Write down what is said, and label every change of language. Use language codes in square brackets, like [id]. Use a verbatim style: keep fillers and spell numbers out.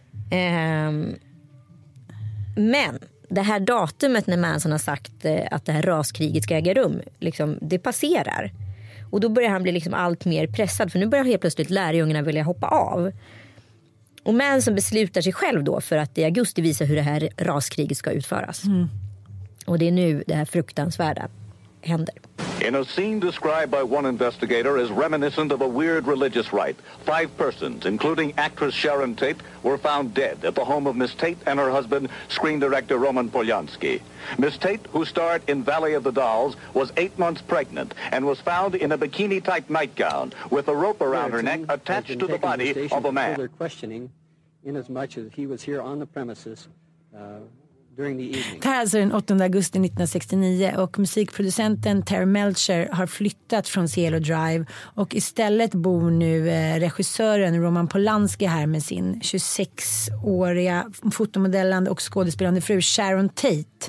[sv] Um, men det här datumet när Manson har sagt att det här raskriget ska äga rum, liksom, det passerar. Och då börjar han bli liksom allt mer pressad för nu börjar helt plötsligt lärjungarna vilja hoppa av. Och Manson beslutar sig själv då för att i augusti visa hur det här raskriget ska utföras. Mm. Och det är nu det här fruktansvärda händer. [en] In a scene described by one investigator as reminiscent of a weird religious rite, five persons, including actress Sharon Tate, were found dead at the home of Miss Tate and her husband, screen director Roman Polanski. Miss Tate, who starred in Valley of the Dolls, was eight months pregnant and was found in a bikini-type nightgown with a rope around her neck attached to the body of a man. Further questioning, inasmuch as he was here on the premises, uh, [sv] Det här är alltså den åttonde augusti nittonhundrasextionio och musikproducenten Terry Melcher har flyttat från Cielo Drive och istället bor nu regissören Roman Polanski här med sin tjugosex-åriga fotomodellande och skådespelande fru Sharon Tate.